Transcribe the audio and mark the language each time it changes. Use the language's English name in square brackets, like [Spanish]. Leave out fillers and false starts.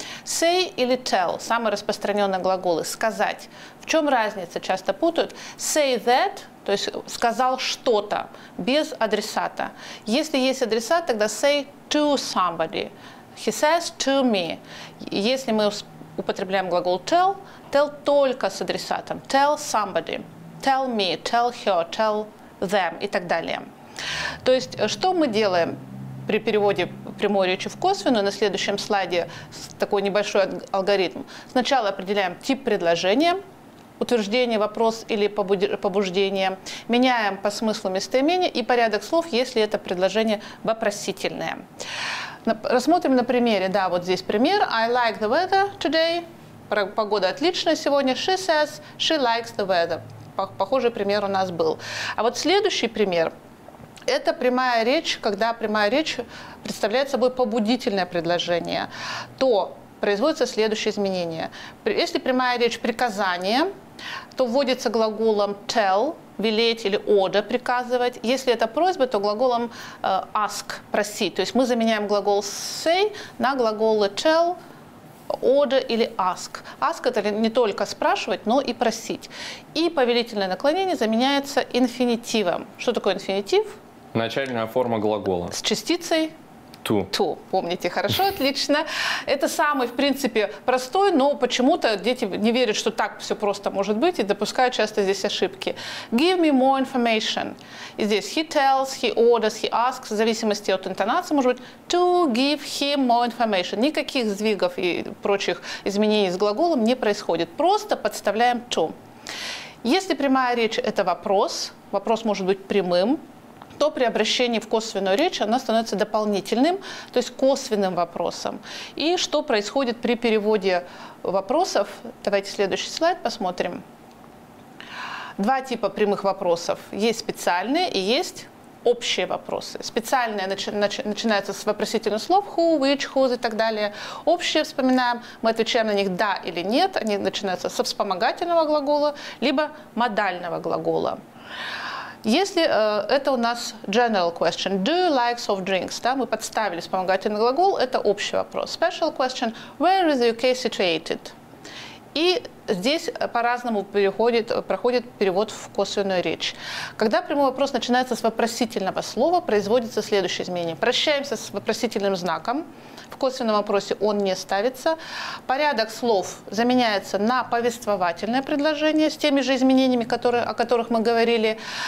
[Russian] Say или tell – самые распространенные глаголы. Сказать. В чем разница? Часто путают. Say that – то есть сказал что-то без адресата. Если есть адресат, тогда [English] say to somebody. He says to me. [Russian] Если мы употребляем глагол tell, tell только с адресатом. [English] Tell somebody, tell me, tell her, tell them [Russian] и так далее. То есть, что мы делаем при переводе прямой речи в косвенную? На следующем слайде такой небольшой алгоритм. Сначала определяем тип предложения, утверждение, вопрос или побуждение. Меняем по смыслу местоимение и порядок слов, если это предложение вопросительное. Рассмотрим на примере, да, вот здесь пример. [English] I like the weather today. [Russian] Погода отличная сегодня. [English] She says she likes the weather. [Russian] Похожий пример у нас был. А вот следующий пример. Это прямая речь, когда прямая речь представляет собой побудительное предложение. То производится следующее изменение. Если прямая речь приказание, то вводится глаголом tell, велеть или order, приказывать. Если это просьба, то глаголом ask, просить. То есть мы заменяем глагол say на глаголы tell, order или ask. Ask – это не только спрашивать, но и просить. И повелительное наклонение заменяется инфинитивом. Что такое инфинитив? Начальная форма глагола. С частицей? [English] To. To. [Russian] Помните, хорошо, отлично. Это самый, в принципе, простой, но почему-то дети не верят, что так все просто может быть, и допускают часто здесь ошибки. [English] Give me more information. И здесь he tells, he orders, he asks, [Russian] в зависимости от интонации, может быть, [English] to give him more information. [Russian] Никаких сдвигов и прочих изменений с глаголом не происходит. Просто подставляем to. Если прямая речь – это вопрос, вопрос может быть прямым, то при обращении в косвенную речь она становится дополнительным, то есть косвенным вопросом. И что происходит при переводе вопросов? Давайте следующий слайд посмотрим. Два типа прямых вопросов. Есть специальные и есть общие вопросы. Специальные начинаются с вопросительных слов who, which, whose и так далее. Общие вспоминаем, мы отвечаем на них да или нет. Они начинаются со вспомогательного глагола, либо модального глагола. Если это у нас [English] general question, do you like soft drinks? [Russian] Да, мы подставили вспомогательный глагол, это общий вопрос. [English] Special question, where is UK situated? [Russian] И здесь по-разному проходит перевод в косвенную речь. Когда прямой вопрос начинается с вопросительного слова, производится следующее изменение. Прощаемся с вопросительным знаком. В косвенном вопросе он не ставится. Порядок слов заменяется на повествовательное предложение с теми же изменениями, о которых мы говорили.